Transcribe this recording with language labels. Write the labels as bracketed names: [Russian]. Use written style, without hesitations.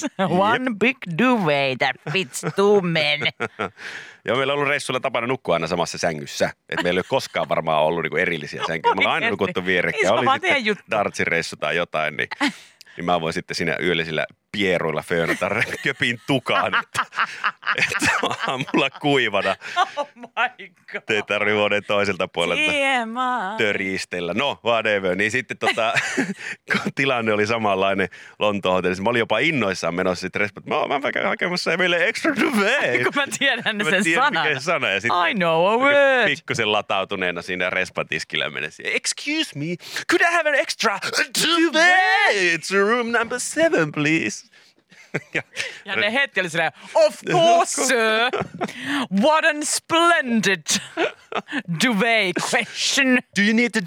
[English] One big duvet that fits two men. [Finnish] Ja meillä on ollut reissulla tapana nukkua aina samassa sängyssä. Et meillä ei ole koskaan varmaan ollut niinku erillisiä sänkyjä. Me ollaan aina nukuttu vierekkäin. Oli sitten dartsireissu tai jotain, niin... Niin mä voin sitten siinä yöllisillä pieruilla föönätä köpin tukaan, että onhan mulla kuivana. [English] Oh my god. [Finnish] Te ei tarvitse vuoden toiselta puolelta töristellä. [English] No, whatever. [Finnish] Niin sitten kun tilanne oli samanlainen Lontoon hotellissa, mä olin jopa innoissaan menossa sitten respektiin. Mä oon vaikka hakemassa meille extra duvet. Kun mä tiedän sen sanan. Mä tiedän, sana. [English] I know a word. [Finnish] Pikkusen latautuneena siinä respatiskillä menisi. [English] Excuse me, could I have an extra duvet? It's room number 7, please. [Finnish] Ja ne heti oli silleen, [English] of course, sir. What a splendid duvet question. Do you need it